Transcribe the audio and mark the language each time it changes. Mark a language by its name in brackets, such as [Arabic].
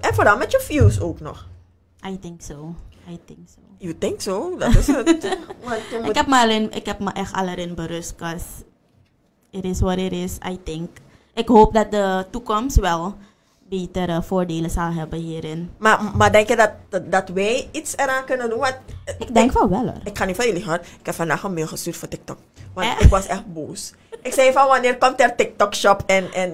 [Dutch] En vooral met je views ook nog. [English] I think so. You think so? [Dutch] Dat is het. Ik heb me echt al erin berust. [English] Because it is what it is, I think. [Dutch] Ik hoop dat de toekomst wel betere voordelen zal hebben hierin. Maar denk je dat wij iets eraan kunnen doen? Want, ik denk van wel hoor. Ik ga niet van jullie gaan. Ik heb vandaag een mail gestuurd voor TikTok. Want ik was echt boos. Ik zei van, wanneer komt er TikTok shop en